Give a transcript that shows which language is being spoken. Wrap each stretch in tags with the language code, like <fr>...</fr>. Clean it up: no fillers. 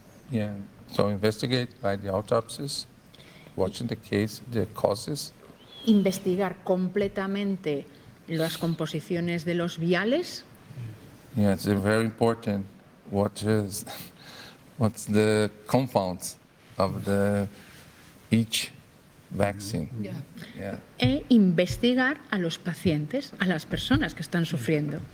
<en>Yeah. So investigate by the autopsies, watching the case, the causes.</en> <es>Investigar completamente las composiciones de los viales.</es> <en>Yeah, it's very important what's the compounds of the each vaccine. Yeah.</en> <es>Yeah. E investigar a los pacientes, a las personas que están sufriendo.</es>